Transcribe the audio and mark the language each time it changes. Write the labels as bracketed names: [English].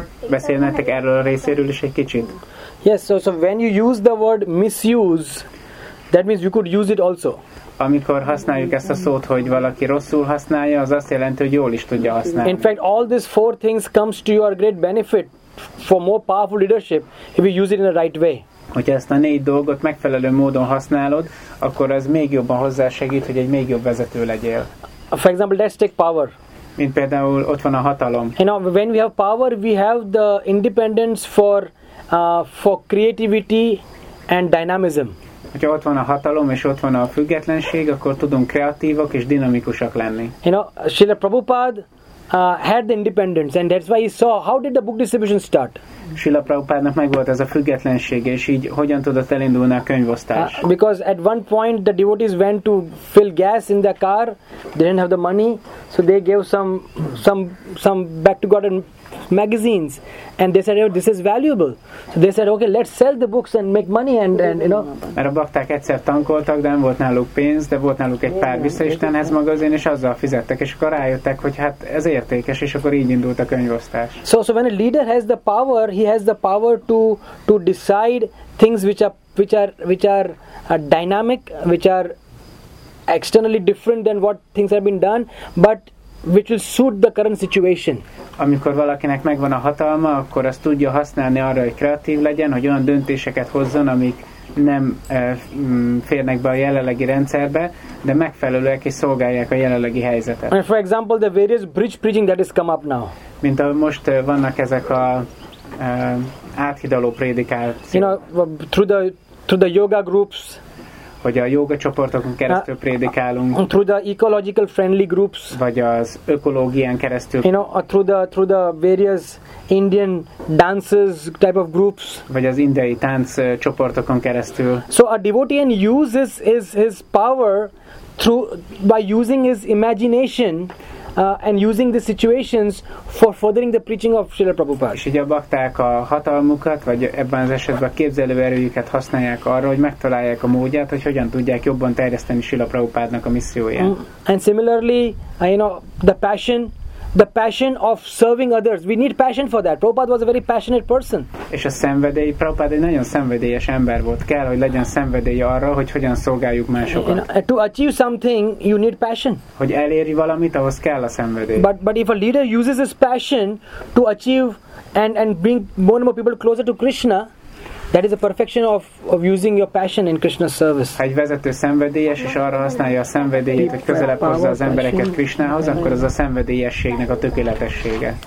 [Hungarian] Beszélnétek erről a részéről is egy kicsit? [English] Yes, so when you use the word misuse, that means you could use it also. [Hungarian] Amikor használjuk ezt a szót, hogy valaki rosszul használja, az azt jelenti, hogy jól is tudja használni. [English] In fact, all these four things comes to your great benefit for more powerful leadership if you use it in the right way. [Hungarian] Hogyha ezt a négy dolgot megfelelő módon használod, akkor ez még jobban hozzásegít, hogy egy még jobb vezető legyél. [English] For example, let's take power. [Hungarian] Mint például ott van a hatalom. [English] You know, when we have power, we have the independence for creativity and dynamism. [Hungarian] Hogyha ott van a hatalom és ott van a függetlenség, akkor tudunk kreatívak és dinamikusak lenni. [English] You know, Srila Prabhupada had the independence, and that's why he saw how did the book distribution start. [Hungarian] Srila Prabhupádnak megvolt ez a függetlensége, és így hogyan tudott elindulni a könyvosztás. [English] Because at one point the devotees went to fill gas in their car, they didn't have the money, so they gave some back to God and magazines, and they said, oh, this is valuable. So they said, okay, let's sell the books and make money, and you know. [Hungarian] Mert a bakták egyszer tankoltak, de nem volt náluk pénz, de volt náluk egy pár visszaistenhez magazin, és azzal fizettek, és akkor rájöttek, hogy hát ez értékes, és akkor így indult a könyvosztás. [English] So when a leader has the power, he has the power to decide things which are dynamic, which are externally different than what things have been done, but which will suit the current situation. [Hungarian] Amikor valakinek megvan a hatalma, akkor azt tudja használni arra, hogy kreatív legyen, hogy olyan döntéseket hozzon, amik nem férnek be a jelenlegi rendszerbe, de megfelelőek és szolgálják a jelenlegi helyzetet. [English] And for example, the various bridge preaching that has come up now. [Hungarian] Mint ahogy most vannak ezek a áthidaló prédikációk. [English] You know, through the yoga groups. [Hungarian] hogy a jóga csoportokon keresztül prédikálunk. [English] Through the ecological friendly groups. [Hungarian] Vagy az ökológián keresztül. [English] You know, through the various Indian dances type of groups. [Hungarian] Vagy az indiai tánc csoportokon keresztül. [English] So a devotee uses his power through by using his imagination. And using the situations for furthering the preaching of Srila Prabhupada. [Hungarian] És így a bakták a hatalmukat, vagy ebben az esetben a képzelő erőjüket használják arra, hogy megtalálják a módját, hogy hogyan tudják jobban terjeszteni Srila Prabhupádnak a misszióját. [English] And similarly, you know, the passion of serving others. We need passion for that. Prabhupada was a very passionate person. [Hungarian] És a szenvedély, Prabhupada egy nagyon szenvedélyes ember volt. Kell, hogy legyen szenvedélye arra, hogy hogyan szolgáljuk másokat. [English] You know, to achieve something, you need passion. [Hungarian] Hogy elérj valamit, ahhoz kell a szenvedély. [English] But if a leader uses his passion to achieve and bring more and more people closer to Krishna, that is the perfection of using your passion in Krishna's service. [Hungarian] Ha egy vezető szenvedélyes és arra használja a szenvedélyét, hogy közelebb hozza az embereket Krishnához, akkor az a szenvedélyességnek a tökéletessége.